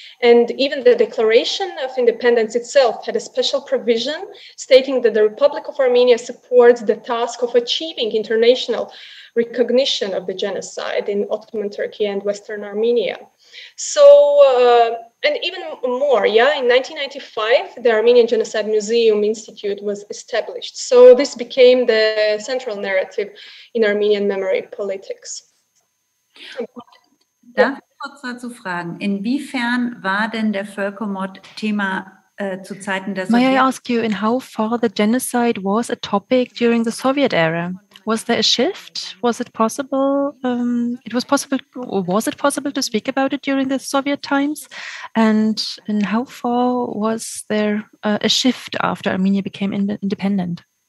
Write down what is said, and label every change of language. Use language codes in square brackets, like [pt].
[en] And even the Declaration of Independence itself had a special provision stating that the Republic of Armenia supports the task of achieving international recognition of the genocide in Ottoman Turkey and Western Armenia. So, and even more, yeah, in 1995, the Armenian Genocide Museum Institute was established. So this became the central narrative in Armenian memory politics. [de] Darf ich kurz dazu fragen, inwiefern war denn der Völkermord Thema zu Zeiten der [en] Sowjetunion? May I ask you, in how far the genocide was a topic during the Soviet era? Was there a shift? Was it possible? It was possible, or was it possible to speak about it during the Soviet times? And in how far was there a shift after Armenia became independent?